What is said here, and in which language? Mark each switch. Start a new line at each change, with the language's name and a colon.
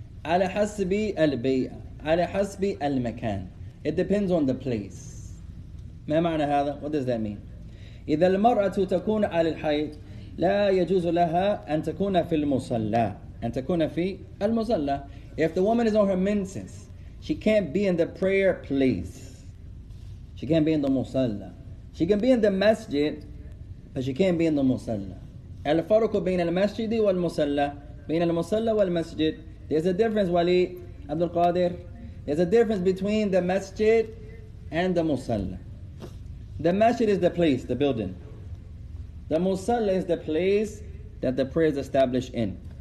Arabic: على حسب البيئة. على حسب المكان.
English: It depends on the place.
Arabic: ما معنى هذا?
English: What does that mean?
Arabic: إذا المرأة تكون على الحيض لا يجوز لها أن تكون في المصلى. أن تكون في المصلى.
English: If the woman is on her menses, she can't be in the prayer place. She can't be in the musalla. She can be in the masjid, but she can't be in the musalla.
Arabic: الفرق بين المسجد والمصلى. بين المصلى والمسجد.
English: There's a difference, Wali Abdul Qadir. There's a difference between the masjid and the musalla. The masjid is the place, the building. The musalla is the place that the prayer is established in.